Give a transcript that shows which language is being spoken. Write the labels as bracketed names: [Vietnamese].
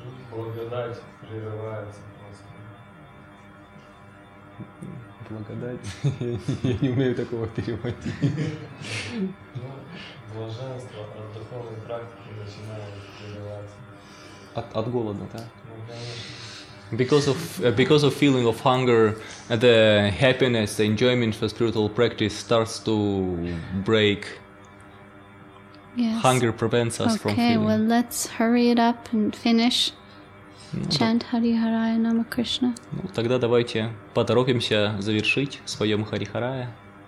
[Russian] Благодать прерывается просто. благодать. Я не умею такого переводить. Блаженство от духовной практики начинает переливаться. От голода, да? [English] Because of feeling of hunger, the happiness, the enjoyment for spiritual practice starts to break. Yes. Hunger prevents us from feeling. Okay, well, let's hurry it up and finish. Chant Hari Haraya Namakrishna. [Russian] Ну, тогда давайте поторопимся завершить своё Хари Харая.